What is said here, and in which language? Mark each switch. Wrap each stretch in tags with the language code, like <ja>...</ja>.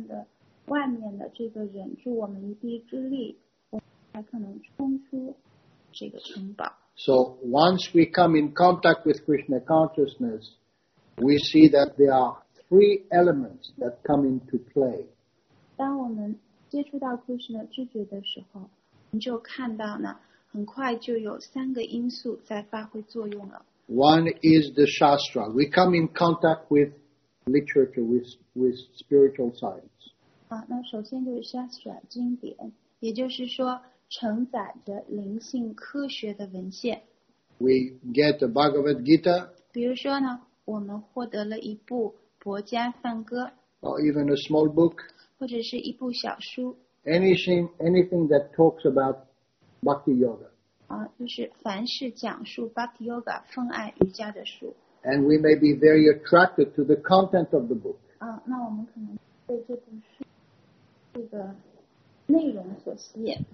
<zh>只有在这个城堡上的外面的这个人助, 我们一臂之力, 我们才可能冲出这个城堡。</zh> <en>So once we come in contact with Krishna consciousness, we see that there are three elements that come into play.</en> <zh>当我们接触到Krishna知觉的时候, 你就看到呢,很快就有三个因素在发挥作用了。</zh> <en>One is the Shastra. We come in contact with literature, with spiritual science.</en> <zh>那首先就是Shastra,经典, 也就是说承载着灵性科学的文献。</zh> <en>We get the Bhagavad Gita.</en> <zh>比如说呢, 我们获得了一部《薄伽梵歌》,</zh> <en>or even a small book.</en> <zh>或者是一部小书,</zh> <en>anything that talks about Bhakti Yoga.</en> <zh>就是凡是讲述 Bhakti Yoga, 奉爱瑜伽的书。</zh> <en>And we may be very attracted to the content of the book.</en> <zh>那我们可能被这部书这个内容所吸引。</zh>